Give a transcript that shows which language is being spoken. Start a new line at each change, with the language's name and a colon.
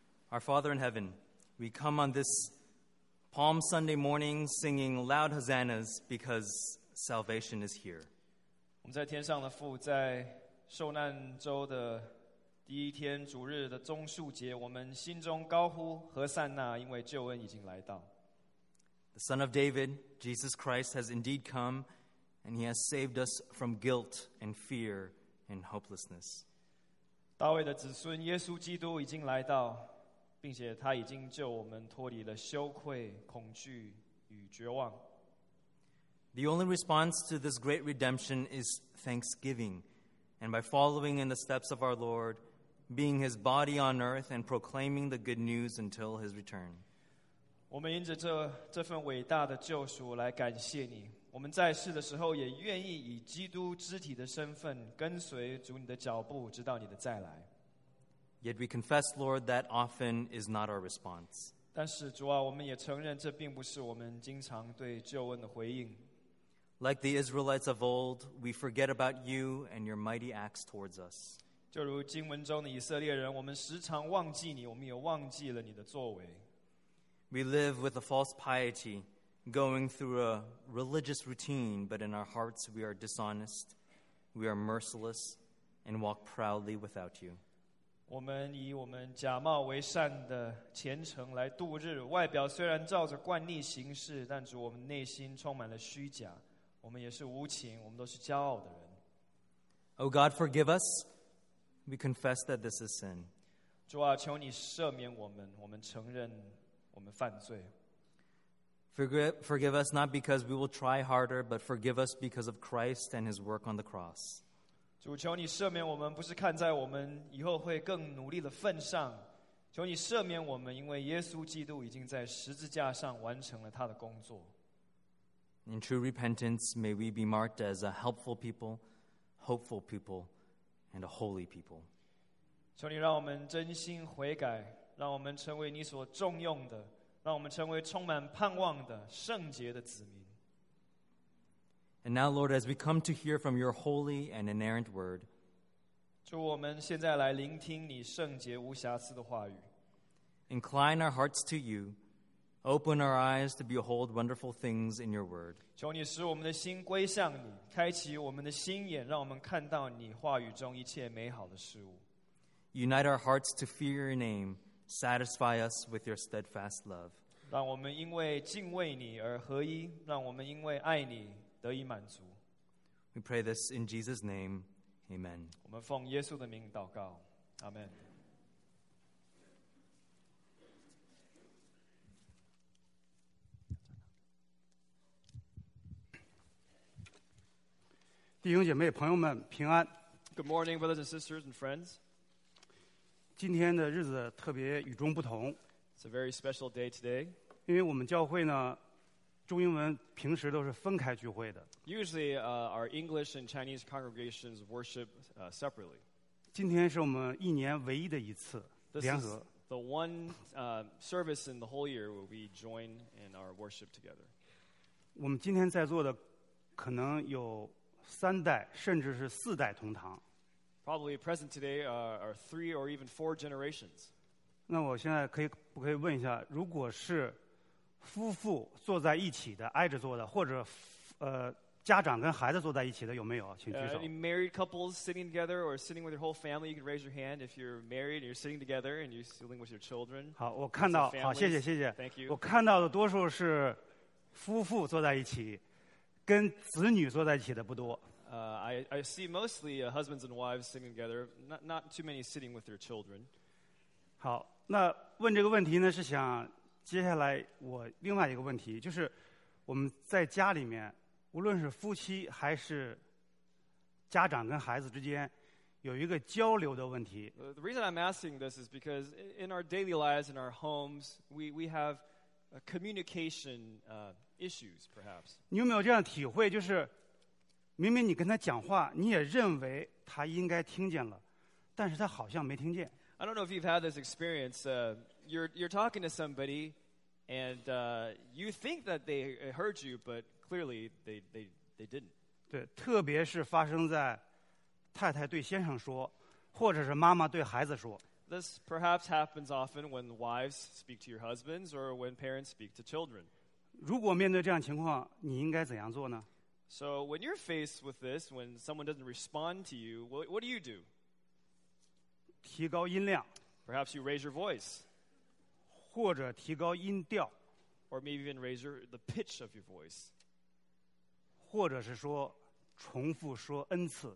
English: Our Father in heaven, we come on this Palm Sunday morning singing loud hosannas because salvation is here.
Chinese: 我们在天上的父，在受难周的第一天主日的棕树节，我们心中高呼何善那，因为救恩已经来到。
English: The Son of David, Jesus Christ, has indeed come, and he has saved us from guilt and fear and hopelessness.
Chinese: 大卫的子孙耶稣基督已经来到，并且他已经救我们脱离了羞愧、恐惧与绝望。
English: The only response to this great redemption is thanksgiving. And by following in the steps of our Lord, being his body on earth and proclaiming the good news until his return.
Chinese: 我们因着这份伟大的救赎来感谢你。我们在世的时候也愿意以基督肢体的身份跟随主你的脚步，直到你的再来。
English: Yet we confess, Lord, that often is not our response.
Chinese: 但是主啊，我们也承认这并不是我们经常对救恩的回应。
English: Like the Israelites of old, we forget about you and your mighty acts towards us.
Chinese: 就如经文中的以色列人，我们时常忘记你，我们也忘记了你的作为。
English: We live with a false piety, going through a religious routine, but in our hearts we are dishonest, we are merciless, and walk proudly without you.
Chinese: 我们以我们假冒为善的虔诚来度日，外表虽然照着惯例行事，但主，我们内心充满了虚假。我们也是无情，我们都是骄傲的人。
English: O God, forgive us. We confess that this is sin.
Chinese: 主啊，求你赦免我们，我们承认我们犯罪。
English: Forgive us not because we will try harder, but forgive us because of Christ and his work on the cross.
Chinese: 主求你赦免我们，不是看在我们以后会更努力的份上，求你赦免我们，因为耶稣基督已经在十字架上完成了他的工作。
English: In true repentance, may we be marked as a helpful people, hopeful people, and a holy people.
Chinese: 求你让我们真心悔改，让我们成为你所重用的，让我们成为充满盼望的圣洁的子民。
English: And now, Lord, as we come to hear from your holy and inerrant word,
Chinese: 主，我们现在来聆听你圣洁无瑕疵的话语。
English: Incline our hearts to you, open our eyes to behold wonderful things in your word.
Chinese: 求你使我们的心归向你，开启我们的心眼，让我们看到你话语中一切美好的事物。
English: Unite our hearts to fear your name, satisfy us with your steadfast love.
Chinese: 让我们因为敬畏你而合一，让我们因为爱你。
English: We pray this in Jesus' name. Amen.
Chinese: 我们奉耶稣的名祷告。Amen.
English: Good morning, brothers and sisters and friends.
Chinese: 今天的日子特别与众不同。
English: It's a very special day today.
Chinese: 因为我们教会呢中英文平时都是分开聚会的。
English: Usually, our English and Chinese congregations worship separately.
Chinese: 今天是我们一年唯一的一次联合。
English: The one service in the whole year where we join in our worship together.
Chinese: 我们今天在座的可能有三代，甚至是四代同堂。
English: Probably present today are three or even four generations.
Chinese: 那我现在可以问一下，如果是夫妇坐在一起的，挨着坐的，或者，家长跟孩子坐在一起的，有没有？请举手。
English: Any married couples sitting together or sitting with your whole family? You can raise your hand if you're married and you're sitting together and you're sitting with your children.
Chinese: 好，我看到，好，谢谢，谢谢。
English: Thank you.
Chinese: 我看到的多数是夫妇坐在一起，跟子女坐在一起的不多。
English: I see mostly husbands and wives sitting together. Not too many sitting with their children.
Chinese: 好，那问这个问题呢，是想。接下来我另外一个问题就是我们在家里面无论是夫妻还是家长跟孩子之间有一个交流的问题。
English: The reason I'm asking this is because in our daily lives, in our homes, we have a communication issues, perhaps.
Chinese: 你有没有这样体会就是明明你跟他讲话你也认为他应该听见了但是他好像没听见。
English: I don't know if you've had this experience. You're talking to somebody, and you think that they heard you, but clearly they didn't.
Chinese: 对，特别是发生在太太对先生说，或者是妈妈对孩子说。
English: This perhaps happens often when wives speak to your husbands or when parents speak to children.
Chinese: 如果面对这样情况，你应该怎样做呢？
English: So when you're faced with this, when someone doesn't respond to you, what do you do?
Chinese: 提高音量。
English: Perhaps you raise your voice.
Chinese: 或者提高音调。
English: Or maybe even raise the pitch of your voice.
Chinese: 或者是说重复说 N 次。